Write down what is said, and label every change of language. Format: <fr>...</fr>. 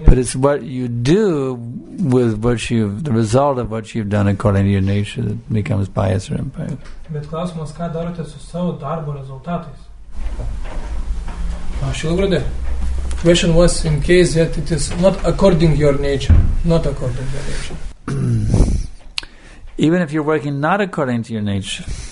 <lt>ne.</lt> <en>But it's what you do with what you've, the result of what you've done according to your nature that becomes pious or impious.</en> <lt>Bet klausimas, ką darote su savo darbo rezultatais?</lt> <en>Šilgrūdė, question was in case that it is not according your nature, not according your nature. Even if you're working not according to your nature.</en>